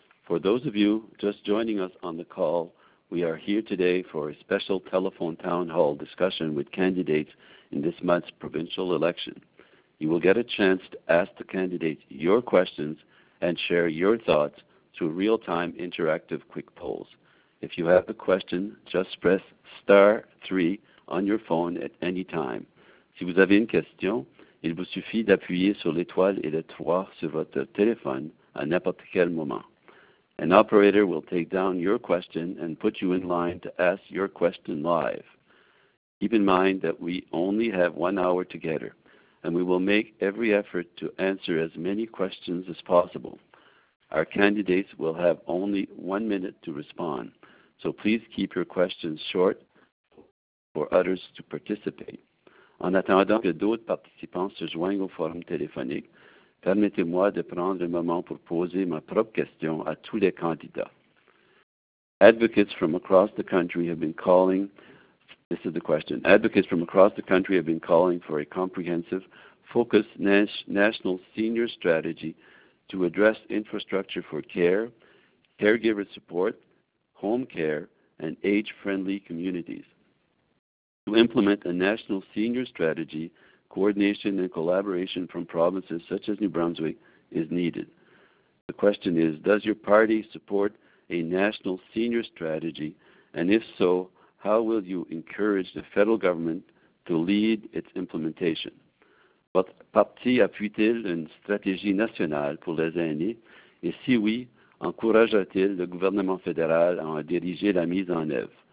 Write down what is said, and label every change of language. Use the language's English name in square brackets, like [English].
[English] For those of you just joining us on the call, we are here today for a special telephone town hall discussion with candidates in this month's provincial election. You will get a chance to ask the candidates your questions and share your thoughts through real-time interactive quick polls. If you have a question, just press *3 on your phone at any time. [French] Si vous avez une question, il vous suffit d'appuyer sur l'étoile et le 3 sur votre téléphone à n'importe quel moment. [English] An operator will take down your question and put you in line to ask your question live. Keep in mind that we only have 1 hour together, and we will make every effort to answer as many questions as possible. Our candidates will have only 1 minute to respond, so please keep your questions short for others to participate. [French] En attendant que d'autres participants se joignent au forum téléphonique, permettez-moi de prendre un moment pour poser ma propre question à tous les candidats. [English] Advocates from across the country have been calling, this is the question, advocates from across the country have been calling for a comprehensive, focused national senior strategy to address infrastructure for care, caregiver support, home care, and age-friendly communities. To implement a national senior strategy, coordination and collaboration from provinces such as New Brunswick is needed. The question is, does your party support a national senior strategy? And if so, how will you encourage the federal government to lead its implementation? [French] Votre parti appuie-t-il une stratégie nationale pour les aînés? Et si oui, encouragera-t-il le gouvernement fédéral à en diriger la mise en œuvre?